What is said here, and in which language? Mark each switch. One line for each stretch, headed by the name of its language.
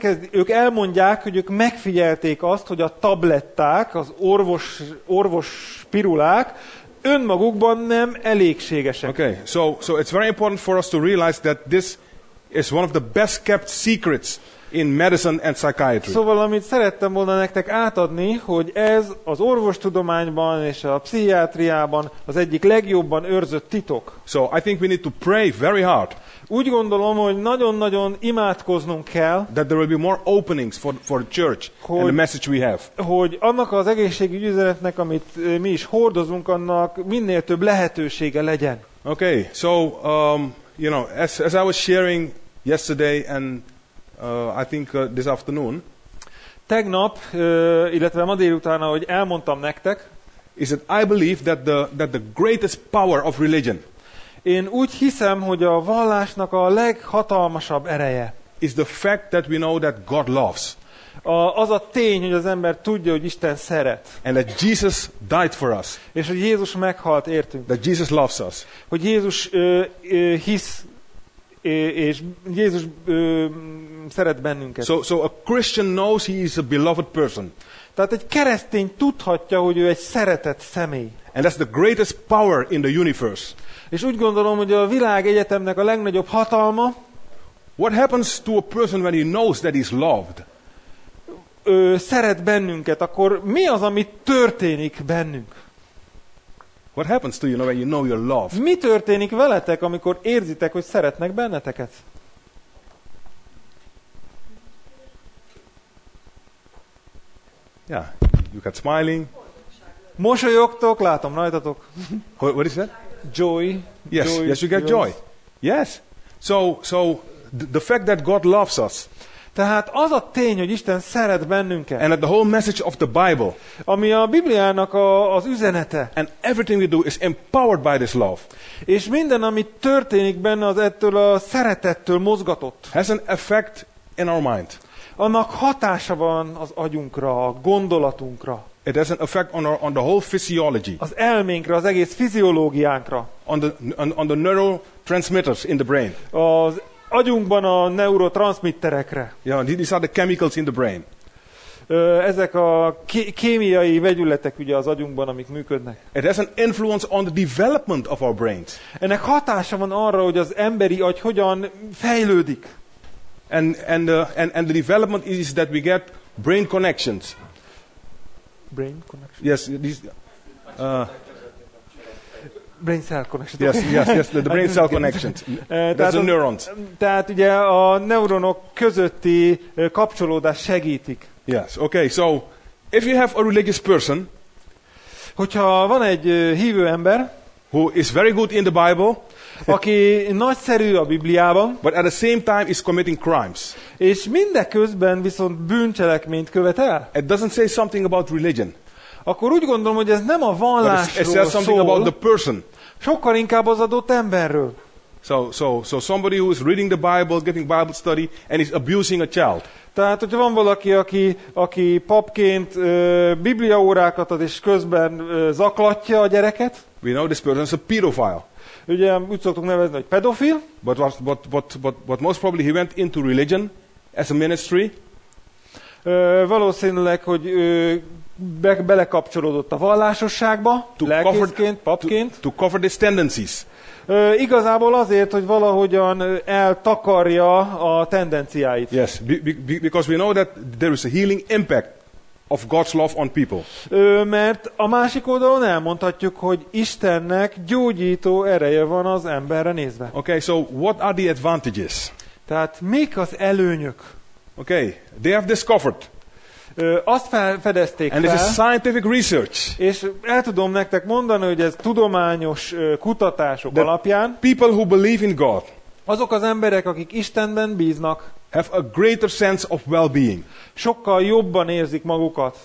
Hungarian: ők elmondják, hogy ők megfigyelték azt, hogy a tabletták, az orvos pirulák önmagukban nem elégségesek.
English: Okay. So it's very important for us to realize that this is one of the best kept secrets in medicine and psychiatry.
Hungarian: Szóval, amit szerettem volna nektek átadni, hogy ez az orvostudományban és a pszichiátriában az egyik legjobban őrzött titok.
English: So I think we need to pray very hard.
Hungarian: Úgy gondolom, hogy nagyon-nagyon imádkoznunk kell.
English: That there will be more openings for the church and the message we have.
Hungarian: Hogy annak az egészségügyi üzenetnek, amit mi is hordozunk, annak minél több lehetősége legyen.
English: Okay, so you know, as I was sharing yesterday and I think this afternoon.
Hungarian: Tegnap, illetve ma délután, ahogy elmondtam nektek,
English: is that I believe that the greatest power of religion.
Hungarian: Én úgy hiszem, hogy a vallásnak a leghatalmasabb ereje
English: is the fact that we know that God loves.
Hungarian: Az a tény, hogy az ember tudja, hogy Isten szeret.
English: And that Jesus died for us.
Hungarian: És hogy Jézus meghalt értünk.
English: That Jesus loves us.
Hungarian: Hogy Jézus hisz és Jézus szeret bennünket.
English: So a Christian knows he is a beloved person.
Hungarian: Tehát egy keresztény tudhatja, hogy ő egy szeretett személy.
English: And that's the greatest power in the universe.
Hungarian: És úgy gondolom, hogy a világegyetemnek a legnagyobb hatalma.
English: What happens to a person when he knows that he's loved?
Hungarian: Ő szeret bennünket, akkor mi az, ami történik bennünk?
English: What happens to you when you know you're loved?
Hungarian: Mi történik veletek, amikor érzitek, hogy szeretnek benneteket?
English: Yeah, you got smiling.
Hungarian: Mosolyogtok, látom rajtatok.
English: What is that? Joy. Yes, joy, yes, you get joy. Yes. So the fact that God loves us.
Hungarian: Tehát az a tény, hogy Isten szeret bennünket.
English: And that the whole message of the Bible.
Hungarian: Ami a Bibliának az üzenete.
English: And everything we do is empowered by this love.
Hungarian: És minden, ami történik benne, az ettől a szeretettől mozgatott.
English: Has an effect in our mind.
Hungarian: Annak hatása van az agyunkra, a gondolatunkra.
English: It has an effect on the whole physiology.
Hungarian: Az elménkre, az egész fiziológiánkra.
English: On the neurotransmitters in the brain.
Hungarian: Az agyunkban a neurotranszmitterekre.
English: Yeah, these are the chemicals in the brain.
Hungarian: Ezek a kémiai vegyületek ugye az agyunkban, amik működnek.
English: It has an influence on the development of our brains.
Hungarian: Ennek hatása van arra, hogy az emberi agy hogyan fejlődik.
English: And the development is that we get brain connections. Brain connection. Yes, this brain cell connection. Yes, yes, yes, the brain cell connections. That's a neurons.
Hungarian: Tehát ugye a neuronok közötti kapcsolódás segítik.
English: Yes. Okay. So, if you have a religious person,
Hungarian: hogyha van egy hívő ember,
English: who is very good in the Bible,
Hungarian: aki nagyszerű a Bibliában,
English: but at the same time is committing crimes.
Hungarian: És mindeközben viszont bűncselekményt követ el.
English: It doesn't say something about religion.
Hungarian: Akkor úgy gondolom, hogy ez nem a vallásról szól.
English: It says something
Hungarian: szól,
English: about the person.
Hungarian: Sokkal inkább az adott emberről.
English: So somebody who is reading the Bible, giving Bible study, and is abusing a child.
Hungarian: Tehát, hogyha van valaki, aki papként Biblia órákat ad és közben zaklatja a gyereket.
English: We know this person is a pedophile.
Hungarian: Ugye úgy szoktuk nevezni, hogy pedofil.
English: But most probably he went into religion as a ministry.
Hungarian: Valószínűleg, hogy belekapcsolódott a vallásosságba, lelkészként, papként.
English: To cover these tendencies.
Hungarian: Igazából azért, hogy valahogyan eltakarja a tendenciáit.
English: Yes, because we know that there is a healing impact of God's love on people.
Hungarian: Mert a másik oldalon elmondhatjuk, hogy Istennek gyógyító ereje van az emberre nézve.
English: Okay, so what are the advantages?
Hungarian: Tehát mik az előnyök?
English: Okay, they have discovered.
Hungarian: Azt felfedezték
English: and
Hungarian: fel.
English: And it's a scientific research.
Hungarian: És el tudom nektek mondani, hogy ez tudományos kutatások
English: the
Hungarian: alapján.
English: People who believe in God.
Hungarian: Azok az emberek, akik Istenben bíznak,
English: have a greater sense of well-being.
Hungarian: Sokkal jobban érzik magukat.